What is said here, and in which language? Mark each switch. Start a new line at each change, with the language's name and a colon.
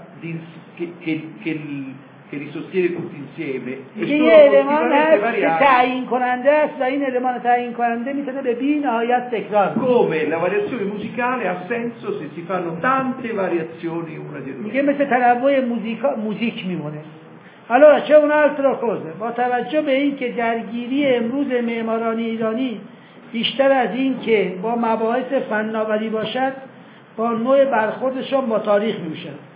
Italian: che li sostiene tutti insieme. Che sono
Persian: المان است تعیین کننده است و این المان تعیین کننده میتونه به بی‌نهایت تکرار.
Italian: Come la variazione musicale ha senso se si fanno tante variazioni una dietro l'altra. Che mette
Persian: تنوع موزیک میمونه.
Italian: Allora c'è un'altra cosa,
Persian: با توجه به این که درگیری امروز معماران ایرانی بیشتر از این که با مباحث فناوری باشد با نوع برخوردشون با تاریخ میشه.